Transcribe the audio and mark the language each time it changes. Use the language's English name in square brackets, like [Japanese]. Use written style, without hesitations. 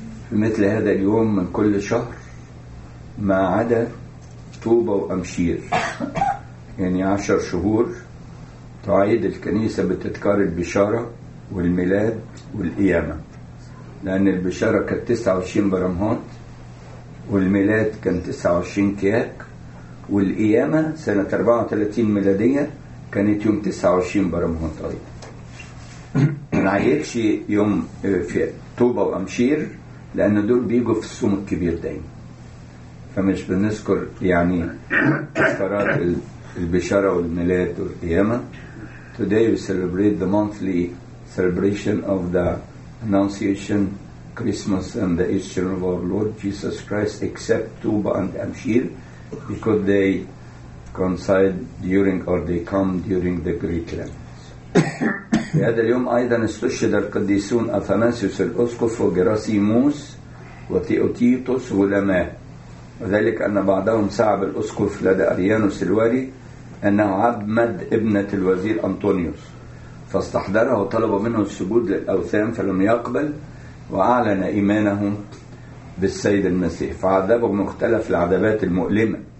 [Arabic] في مثل هذا اليوم من كل شهر ما عدا طوبة وأمشير يعني 10 شهور تعيد الكنيسة بتذكار البشارة والميلاد والقيامة، لأن البشارة كانت 29 برمهوت والميلاد كان 29 كياك والقيامة سنة 34 ميلادية كانت يوم 29 برمهوت. طيب منعيدش يوم في طوبة وأمشير لأن دول بيجوا في الصوم الكبير دايما، فمش بنذكر يعني تذكارات البشارة والميلاد والقيامة. [English] Today we celebrate the monthly celebration of the Annunciation, Christmas, and the Easter of our Lord Jesus Christ, except Tuba and Amshir, because they coincide during or they come during the Great Lent. [Arabic] هذا اليوم أيضا استشهد القديسون أثناسيوس الأسقف وجراسيموس وتيوتيتوس ولما، وذلك أن بعضهم سعب الأسقف لدى أريانوس الوالي أنه عبد ابنة الوزير أنطونيوس، فاستحضره وطلب منه السجود للأوثان فلم يقبل وأعلن إيمانه بالسيد المسيح، فعذبه مختلف العذبات المؤلمة.